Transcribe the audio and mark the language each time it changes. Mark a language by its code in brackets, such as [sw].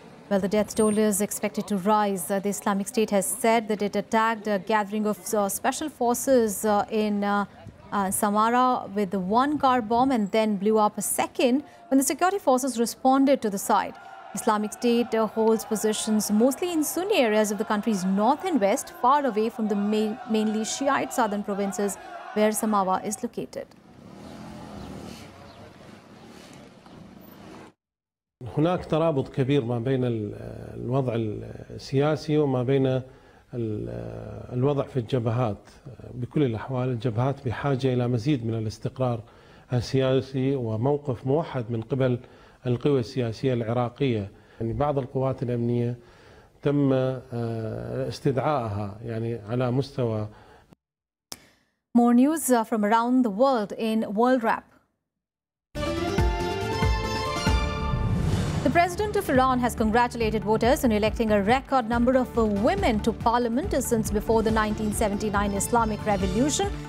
[en] Well, the death toll is expected to rise. The Islamic State has said that it attacked a gathering of special forces in Samara with the one car bomb and then blew up a second when the security forces responded to the site. Islamic State holds positions mostly in Sunni areas of the country's north and west, far away from the mainly Shiite southern provinces where Samawa is located. [ar] هناك ترابط كبير ما بين الوضع السياسي وما بين الوضع في الجبهات بكل الأحوال الجبهات بحاجة إلى مزيد من الاستقرار السياسي وموقف موحد من قبل القوى السياسية العراقية يعني بعض القوات الأمنية تم استدعائها يعني على مستوى. [en] More news from around the world in World Wrap. The president of Iran has congratulated voters on electing a record number of women to parliament since before the 1979 Islamic Revolution